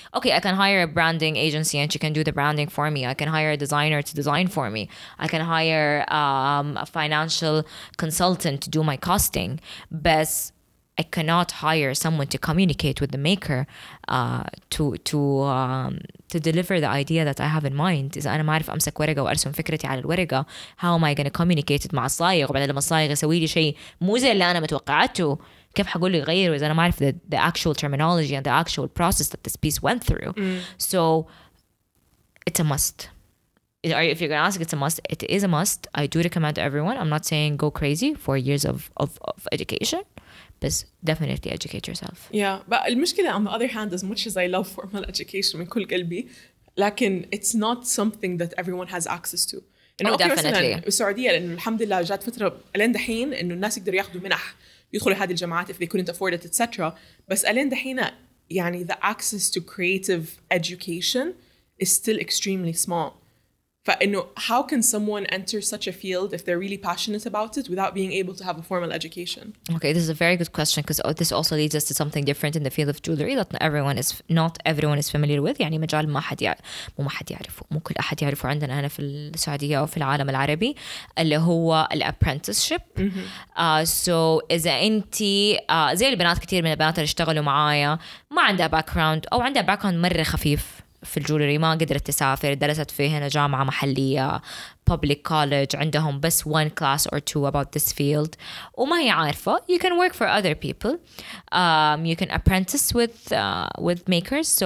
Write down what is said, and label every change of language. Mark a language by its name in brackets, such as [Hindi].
[English] Okay, I can hire a branding agency and she can do the branding for me. I can hire a designer to design for me. I can hire a financial consultant to do my costing. But I cannot hire someone to communicate with the maker to deliver the idea that I have in mind. [Arabic] إذا أنا ما أعرف أمسك ورقة وأرسم فكرتي على الورقة, [English] how am I going to communicate it [Arabic] مع الصايغ, وبعدين لما الصايغ يسوي لي شيء مو زي اللي أنا متوقعته كيف حقول له يغير, إذا أنا ما أعرف [English] the actual terminology and the actual process that this piece went through. So it's a must. If you're gonna ask, it's a must. It is a must. I do recommend to everyone. I'm not saying go crazy for years of education, but definitely educate yourself. Yeah, but [Arabic] المشكلة, [English] on the other hand, as much as I love formal education [Arabic] من كل قلبي, لكن [English] it's not something that everyone has access to. And oh, definitely. [Arabic] في السعودية, لأن الحمد لله جات فترة ألين دحين إنه الناس يقدروا ياخدوا منح يدخلوا هذه الجامعات [English] if they couldn't afford it, etc. [Arabic] بس ألين دحين يعني [English] the access to creative education is still extremely small. [Arabic] فإنه [English] how can someone enter such a field if they're really passionate about it without being able to have a formal education? Okay, this is a very good question because this also leads us to something different in the field of jewelry that not everyone is familiar with. [Arabic] يعني مجال ما حد يعرفه عندنا هنا في السعودية أو في العالم العربي اللي هو ال apprenticeship. So إذا أنت زي البنات, كتير من البنات اللي اشتغلوا معايا ما عندها background أو عندها background مرة خفيف في الجولري, ما قدرت تسافر, درست في هنا جامعة محلية [English] public college, [Arabic] عندهم بس [English] one class or two about this field [Arabic] وما هي عارفة, [English] you can work for other people, you can apprentice with makers.